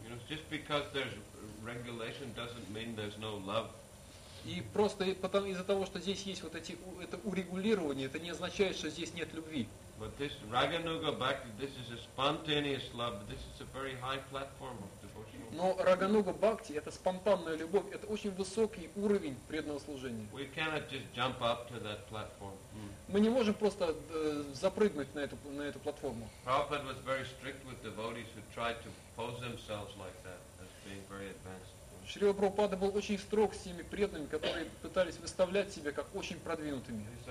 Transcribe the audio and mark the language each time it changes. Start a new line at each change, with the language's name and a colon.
English: You know, just because there's regulation doesn't mean there's no love.
Russian: И просто потом из-за того, что здесь есть вот эти это урегулирование, это не означает, что здесь нет любви.
English: But this Raganuga Bhakti, this is a spontaneous love. This is a very high platform of devotional.
Russian: Но Рагануга Бхакти это спонтанная любовь, это очень высокий уровень преданного служения.
English: We cannot just jump up to that platform.
Russian: Мы не можем просто запрыгнуть на эту платформу.
English: Prabhupada was very strict with devotees who tried to pose themselves like that as being very advanced.
Russian: Шрила Прабхупада был очень строг с теми преданными, которые пытались выставлять себя как очень продвинутыми.